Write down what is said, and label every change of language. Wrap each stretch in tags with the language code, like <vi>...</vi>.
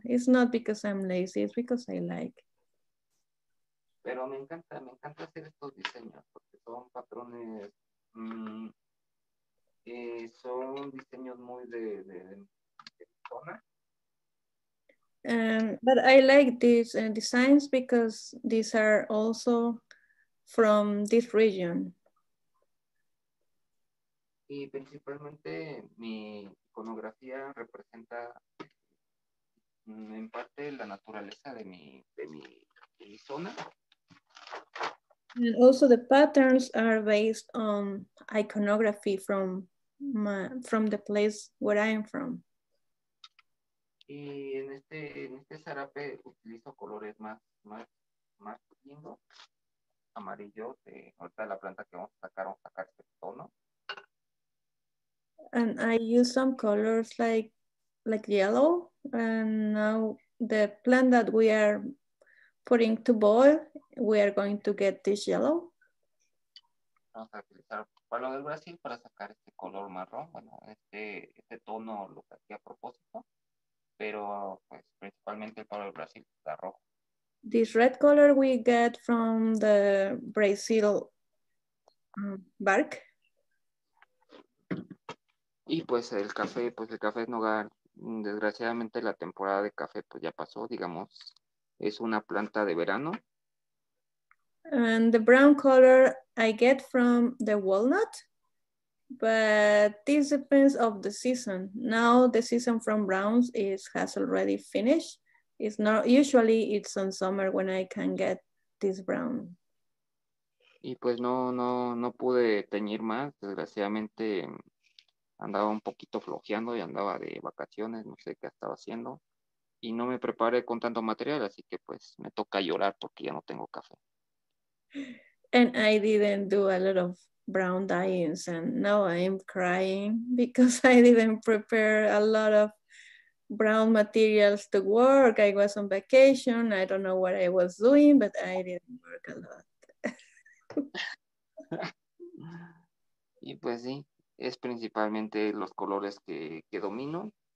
<en>It's not because I'm lazy, it's because I like.</en> <es>Pero me encanta hacer estos diseños porque son patrones, son diseños muy de zona.</es> <en>But I like these designs because these are also from this region.</en> <es>Y principalmente mi iconografía representa en parte la naturaleza de mi zona.</es> <en>And also the patterns are based on iconography from the place where I am from.</en> <es>Y en este zarape utilizo colores más lindo, amarillo, ahorita la planta que vamos a sacar este tono.</es> <en>And I use some colors like yellow. And now the plant that we are putting to boil, we are going to get this yellow.</en> <es>Vamos a utilizar palo del Brasil para sacar este color marrón, bueno, este tono lo que hacía a propósito, pero pues principalmente el palo del Brasil está rojo.</es> <en>This red color we get from the Brazil bark.</en> <es>Y pues el café en hogar, desgraciadamente la temporada de café pues ya pasó, digamos, es una planta de verano.</es> <en>And the brown color I get from the walnut, but this depends of the season. Now the season from browns has already finished. It's not usually it's on summer when I can get this brown.</en> <es>Y pues no pude teñir más, desgraciadamente andaba un poquito flojeando y andaba de vacaciones, no sé qué estaba haciendo y no me preparé con tanto material, así que pues me toca llorar porque ya no tengo café.</es> <en>And I didn't do a lot of brown dyeings, and now I'm crying because I didn't prepare a lot of brown materials to work. I was on vacation. I don't know what I was doing, but I didn't work a lot.</en> <es>Y pues sí, es principalmente los colores que domino.</es>